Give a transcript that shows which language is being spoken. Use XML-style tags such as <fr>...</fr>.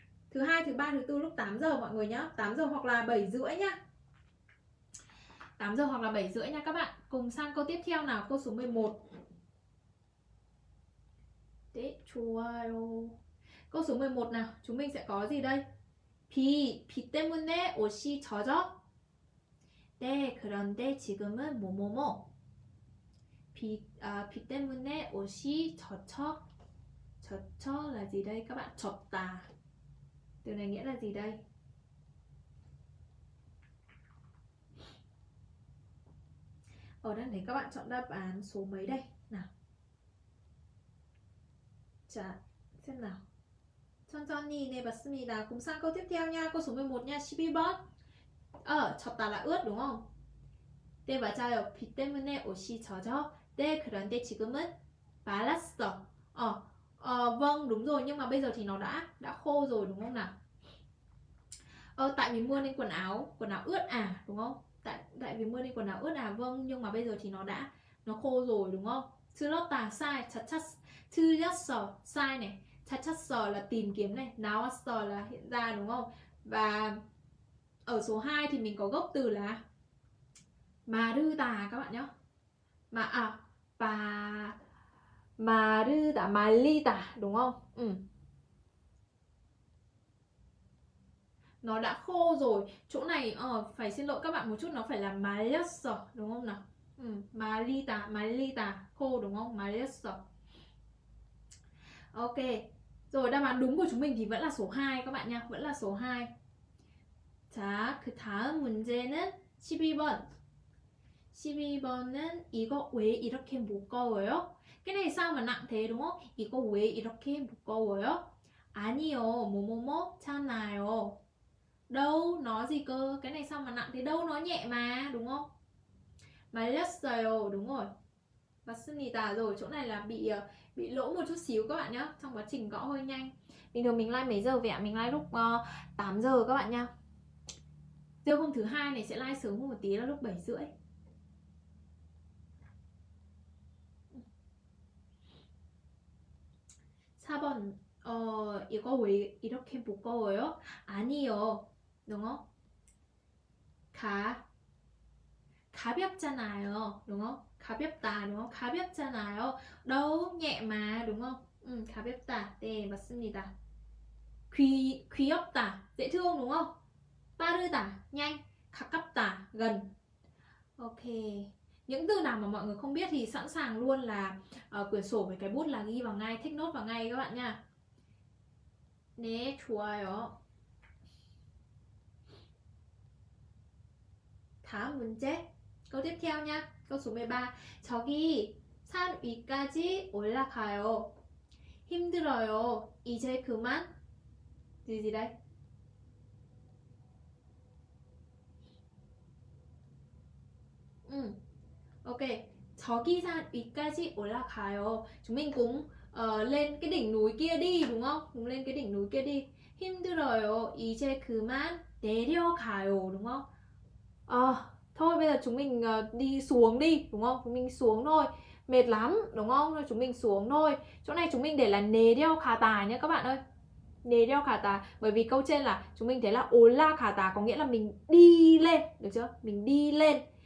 <vi>Thứ hai, thứ ba, thứ tư lúc 8 giờ mọi người nhá, 8 giờ hoặc là 7 rưỡi nhá. 8 giờ hoặc là 7 rưỡi nha các bạn. Cùng sang câu tiếp theo nào, câu số 11. Để chùa câu số 11 nào, chúng mình sẽ có gì đây?</vi> <ko>비, 비 때문에 옷이 젖어? 네, 그런데 지금은 뭐뭐뭐. 비, 아, 비 때문에 옷이 젖혀?</ko> <vi>젖혀 là gì đây các bạn? 젖다. Từ này nghĩa là gì đây? Ở đây để các bạn chọn đáp án số mấy đây? Nào. Chà, xem nào.</vi> <ko>천천히 내봤습니다.</ko> <vi>Cùng sang câu tiếp theo nha. Câu số 11 nha. 12번. 어, 젖다 là ướt đúng không?</vi> <ko>네, 맞아요. 비 때문에 옷이 젖어. 네, 그런데 지금은 말랐어.</ko> <vi>어, 어, vâng, đúng rồi. Nhưng mà bây giờ thì nó đã khô rồi đúng không nào? 어, 어, tại vì mưa nên quần áo ướt à, đúng không? Tại vì mưa nên quần áo ướt à, vâng. Nhưng mà bây giờ thì nó khô rồi đúng không?</vi> <ko>들었다,</ko> <vi>sai. 찾았어, sai này. 찾았어 là tìm kiếm này, 나왔어 là hiện ra đúng không? Và ở số 2 thì mình có gốc từ là 마르다 các bạn nhé. Mà à, 바 마르다, 말리다 đúng không? Ừ. Nó đã khô rồi. Chỗ này phải xin lỗi các bạn một chút, nó phải là 말렸어 đúng không nào? Ừ, 말리다, 말리다 khô đúng không? 말렸어. Ok. Rồi đáp án đúng của chúng mình thì vẫn là số 2 các bạn nha, vẫn là số 2.</vi> <ko>자, 그 다음 문제는 12번. 12번은 이거 왜 이렇게 무거워요?</ko> <vi>Cái này sao mà nặng thế đúng không?</vi> <ko>이거 왜 이렇게 무거워요? 아니요, 뭐뭐뭐잖아요.</ko> <vi>Đâu, nó gì cơ? Cái này sao mà nặng thế? Đâu, nó nhẹ mà, đúng không? 말렸어요, đúng rồi.</vi> <ko>맞습니다.</ko> <vi>Rồi, chỗ này là bị lỗ một chút xíu các bạn nhé. Trong quá trình gõ hơi nhanh. Bình thường mình like mấy giờ vậy ạ? Mình like lúc 8 giờ các bạn nhé. Giờ hôm thứ hai này sẽ like sớm hơn một tí là lúc 7 rưỡi.</vi> <ko>Sa bon, 이거 왜 이렇게 무거워요?</ko> <vi>아니요, đúng không?</vi> <ko>가볍잖아요,</ko> <vi>đúng không? 가볍다, đúng không? 가볍잖아요. Đâu, nhẹ mà, đúng không? Ừ, 가볍다,</vi> <ko>네, 맞습니다.</ko> <vi>귀엽다, dễ thương, đúng không? 빠르다, nhanh. 가깝다, gần. Ok. Những từ nào mà mọi người không biết thì sẵn sàng luôn là quyển sổ với cái bút là ghi vào ngay, take note vào ngay các bạn nha.</vi> <ko>네, 좋아요. 다음 문제,</ko> <vi>câu tiếp theo nha. Câu số 13.</vi> <ko>저기 산 위까지 올라가요. 힘들어요. 이제 그만. 지지래. 오케이. 저기 산 위까지 올라가요.</ko> <vi>Chúng mình cũng lên cái đỉnh núi kia đi đúng không? Cũng lên cái đỉnh núi kia đi.</vi> <ko>힘들어요. 이제 그만 내려가요</ko> <vi>đúng không? Thôi bây giờ chúng mình đi xuống đi đúng không? Chúng mình xuống thôi. Mệt lắm đúng không? Chúng mình xuống thôi. Chỗ này chúng mình để là nề đeo khả tà nhé các bạn ơi. Nề đeo khả tà. Bởi vì câu trên là chúng mình thấy là ola khả tà có nghĩa là mình đi lên. Được chưa? Mình đi lên.</vi>